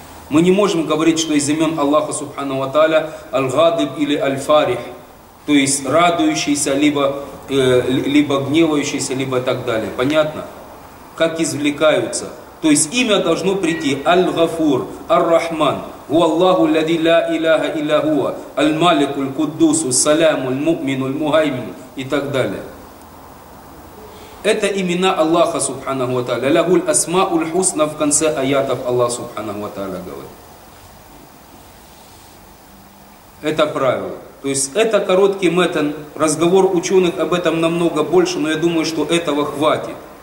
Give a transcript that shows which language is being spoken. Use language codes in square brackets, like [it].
[ru] Мы не можем говорить, что из имен Аллаха Субханаху ва Тааля Аль-Гадиб или Аль-Фарих, то есть радующийся, либо гневающийся, либо так далее. Понятно? Как извлекаются? То есть имя должно прийти Аль-Гафур, Ар-Рахман. [ar] هو الله الذي لا إله إلا هو الملك القدوس السلام المؤمن المهيمن [ru] и так далее. Это имена Аллаха Субханаху ва Тааля. [ar] Лагу аль-асма уль-хусна [ru] в конце аятов Аллах Субханаху ва Тааля говорит. Это правило. То есть это короткий метан. Разговор ученых об этом намного больше, но я думаю, что этого хватит.